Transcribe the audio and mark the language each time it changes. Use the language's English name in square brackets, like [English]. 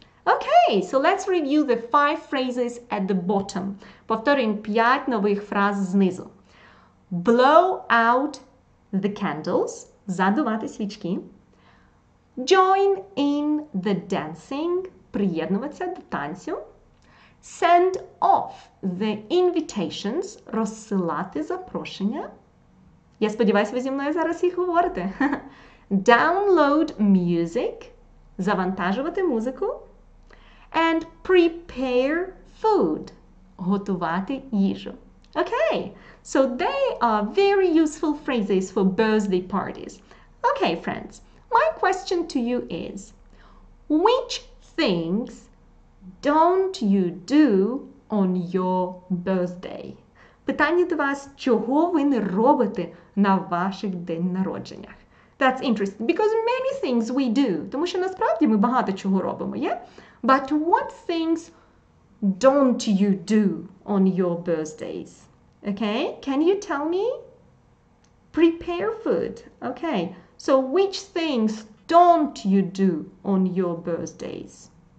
[English] Okay, so let's review the five phrases at the bottom. [Ukrainian] Повторюємо 5 нових фраз знизу. [English] Blow out the candles, [Ukrainian] задувати свічки. [English] Join in the dancing, [Ukrainian] приєднуватися до танцю. [English] Send off the invitations, [Ukrainian] розсилати запрошення. Я сподіваюся, ви зі мною зараз їх говорите. [English] Download music, [Ukrainian] завантажувати музику. [English] And prepare food, [Ukrainian] готувати їжу. [English] Okay, so they are very useful phrases for birthday parties. Okay, friends, my question to you is, which things don't you do on your birthday? [Ukrainian] Питання до вас, чого ви не робите на ваших день народженнях? [English] That's interesting, because many things we do. [Ukrainian] Тому що насправді ми багато чого робимо, yeah? [English] But what things don't you do on your birthdays? Okay, can you tell me? Prepare food. Okay, so which things don't you do on your birthdays?